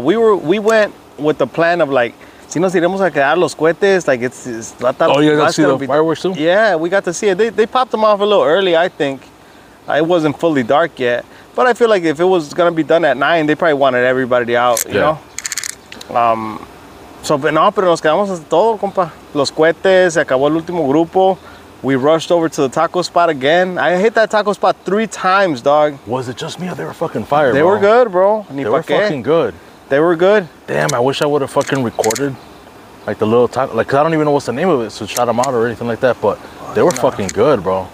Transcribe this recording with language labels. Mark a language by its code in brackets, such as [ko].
[en] We went with the plan of, like, [es] si nos iremos a quedar los cohetes, [en] like, it's not that. Oh, you got to see the fireworks too? Yeah, we got to see it. They popped them off a little early, I think. It wasn't fully dark yet. But I feel like if it was going to be done at 9, they probably wanted everybody out, you know? [es] So, pero nos quedamos hasta todo, compa. Los cohetes, se acabó el último grupo. [en] We rushed over to the taco spot again. I hit that taco spot 3 times, dog. Was it just me or they were fucking fire, They bro? Were good, bro. Ni they were fucking good. They were good. Damn, I wish I would have fucking recorded, like, the little taco. Like, cause I don't even know what's the name of it, so shout them out or anything like that. But they were fucking good, bro.